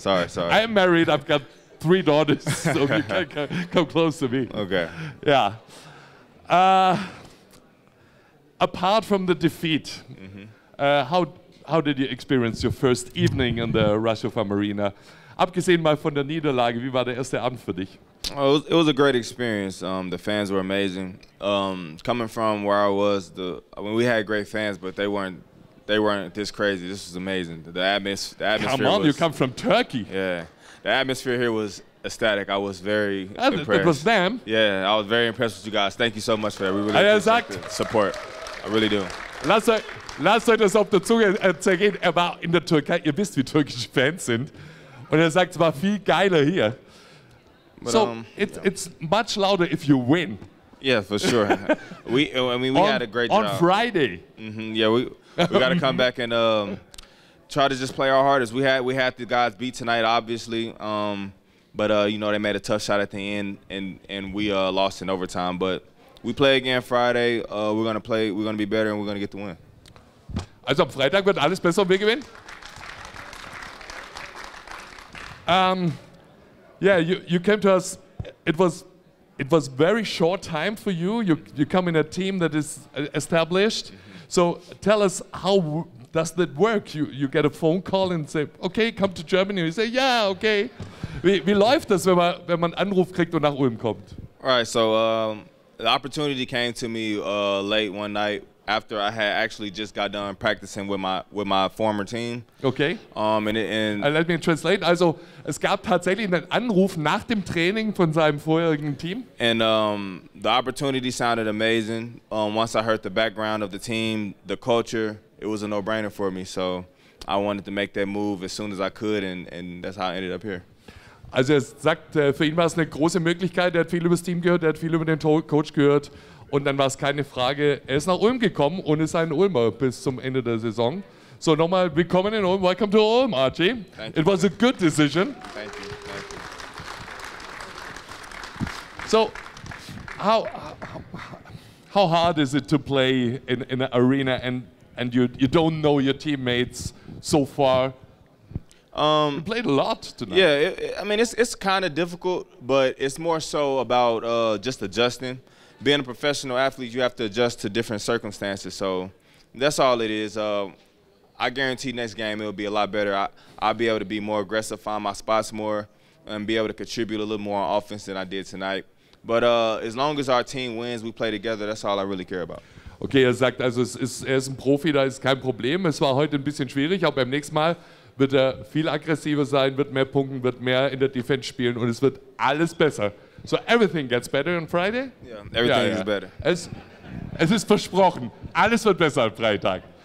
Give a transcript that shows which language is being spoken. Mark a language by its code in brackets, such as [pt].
[en] Sorry. I'm married, I've got three daughters, so you can come close to me. Okay. Yeah. Apart from the defeat, how did you experience your first evening in the Rushofer Arena? [de] Abgesehen mal von der Niederlage, wie war der erste Abend für dich? [en] It was a great experience. The fans were amazing. Coming from where I was, we had great fans, but they weren't this crazy. This was amazing. The atmosphere. Come on, you come from Turkey. Yeah, the atmosphere here was ecstatic. I was very impressed. It was them. Yeah, I was very impressed with you guys. Thank you so much for that. We really appreciate the support. I really do. [de] Lasst euch das auf der Zunge zergehen. Er war in der Türkei. Ihr wisst, wie türkische Fans sind. Und er sagt, es war viel geiler hier. [en] But so it's much louder if you win. Yeah, for sure. we had a great job. On Friday. Mm-hmm. Yeah, we got to come back and try to just play our hardest. We had the guys beat tonight, obviously. But they made a tough shot at the end, and we lost in overtime. But we play again Friday. We're gonna be better, and we're gonna get the win. [de] Also am Freitag wird alles besser und wir gewinnen. [en] Yeah, you came to us. It was very short time for you. You come in a team that is established. So tell us, how does that work? You get a phone call and say, okay, come to Germany. You say, yeah, okay. [de] Wie läuft das, wenn man einen Anruf kriegt und nach Ulm kommt? [en] All right, so the opportunity came to me late one night after I had actually just got done practicing with my former team. Okay. Let me translate. [de] Also, es gab tatsächlich einen Anruf nach dem Training von seinem vorherigen Team. [en] And the opportunity sounded amazing. Once I heard the background of the team, the culture, it was a no-brainer for me. So I wanted to make that move as soon as I could, and that's how I ended up here. [de] Also er sagt, für ihn war es eine große Möglichkeit, er hat viel über das Team gehört, er hat viel über den Coach gehört und dann war es keine Frage, er ist nach Ulm gekommen und ist ein Ulmer bis zum Ende der Saison. So nochmal, willkommen in Ulm, [en] welcome to Ulm, [de] Archie. [en] It was a good decision. Thank you. So, how hard is it to play in an arena and you don't know your teammates so far? You played a lot tonight. Yeah, it's kind of difficult, but it's more so about just adjusting. Being a professional athlete, you have to adjust to different circumstances. So that's all it is. I guarantee next game it'll be a lot better. I'll be able to be more aggressive, find my spots more, and be able to contribute a little more on offense than I did tonight. But as long as our team wins, we play together, that's all I really care about. [de] Okay, er sagt, also er ist ein Profi, da ist kein Problem. Es war heute ein bisschen schwierig, aber beim nächsten Mal wird er viel aggressiver sein, wird mehr punkten, wird mehr in der Defense spielen und es wird alles besser. [en] So everything gets better on Friday? Yeah, everything is better. [de] Es ist versprochen, alles wird besser am Freitag.